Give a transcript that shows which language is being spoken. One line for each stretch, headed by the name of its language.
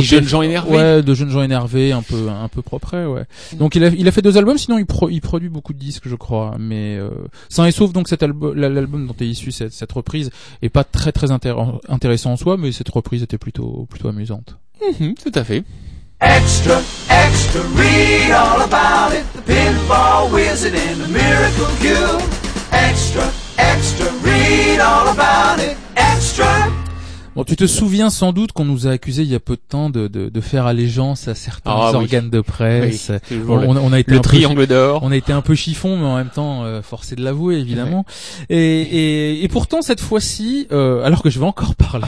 French: Des jeunes gens énervés. Ouais, de jeunes gens énervés, un peu propres, ouais. Donc, il a fait deux albums. Sinon, il produit beaucoup de disques, je crois. Mais Sain et Sauf, donc cet album, l'album dont est issu cette reprise, est pas très très intéressant en soi, mais cette reprise était plutôt amusante. Mm-hmm, tout à fait.
English: Extra, extra, read all about it. The Pinball Wizard and the Miracle Cure. Extra, extra, read all about it. Extra.
French: Bon, tu te souviens sans doute qu'on nous a accusé il y a peu de temps de faire allégeance à certains organes de presse. Oui, on a été le triangle d'or. On a été un peu chiffon, mais en même temps, forcé de l'avouer, évidemment. Ouais. Et pourtant, cette fois-ci, alors que je vais encore parler.